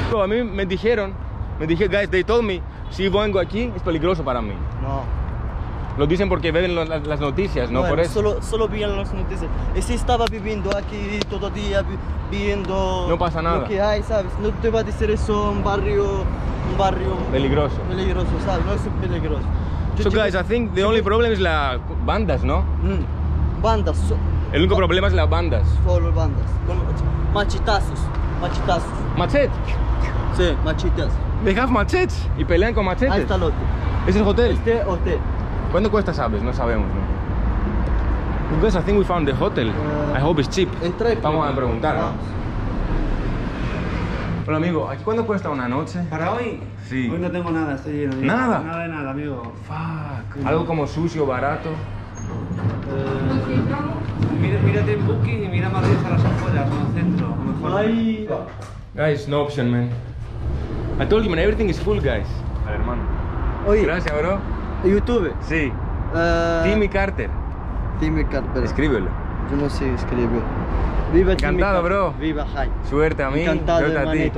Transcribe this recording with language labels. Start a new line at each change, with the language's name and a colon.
Spanish: A mí me dijeron,
English: guys, they told me,
Spanish: si vengo aquí, es peligroso para mí. No. Lo dicen porque ven las noticias, ¿no? Bueno, por eso. Solo vieron las noticias. Y si estaba viviendo aquí todo el día, viendo... No pasa nada. Lo que hay, ¿sabes? No te va a decir eso un barrio... Peligroso. Peligroso, ¿sabes? No es peligroso.
English: So, guys, I think the only problem is bandas, ¿no?
Spanish: Bandas. El único problema es las bandas. Solo bandas. Machetazos. ¿Machete? Sí, machetazos.
English: They have machetes.
Spanish: Y pelean con machetes. Ahí está el hotel. ¿Es el hotel? Este hotel. ¿Cuánto cuesta, sabes? No sabemos, ¿no?
English: Guys, I think we found the hotel. I hope it's cheap.
Spanish: Vamos a preguntar, ¿no? Hola, amigo. ¿Cuánto cuesta una noche? ¿Para hoy? Sí. Hoy no tengo nada, estoy lleno. ¿Nada? Nada de nada, amigo. Fuck. ¿Algo como sucio, barato? Mírate en Booking y mira Madrid a las afueras, en el centro. A lo mejor... Ay.
English: Guys, no option, man. I told you, man, everything is full, guys.
Spanish: A ver, hermano. Oye. Gracias, bro. YouTube? Sí. Timmy Karter. Escríbelo. Yo no sé escribir. Viva. Encantado, Timmy, bro. Viva, hi. Suerte a mí. Encantado, suerte hermanito.